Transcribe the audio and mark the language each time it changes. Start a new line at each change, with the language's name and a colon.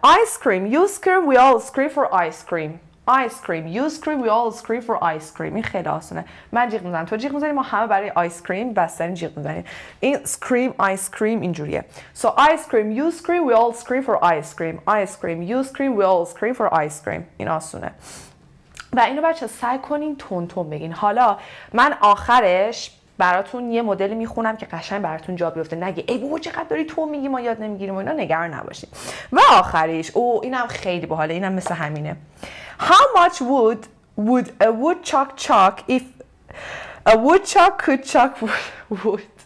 English: Ice cream, you scream, we all scream for ice cream.
Persian: این خیلی آسونه. من جیغ میزنم، تو جیغ میزنی، ما همه برای آیس کریم بستنیم جیغ میزنیم.
English: این scream ice cream اینجوریه. So ice cream, you scream, we all scream for ice cream. Ice cream, you scream, we all scream for ice cream.
Persian: این آسونه. و اینو بچه سعی کنین تون تون بگین. حالا من آخرش براتون یه مدل میخونم که قشنگ براتون جا بیفته، نگه ای بابا چقدر داری تو میگی ما یاد نمیگیریم و اینا، نگران نباشید. و آخریش او اینم خیلی باحاله، اینم مثل همینه.
English: How much would a woodchuck chuck if a woodchuck could chuck wood.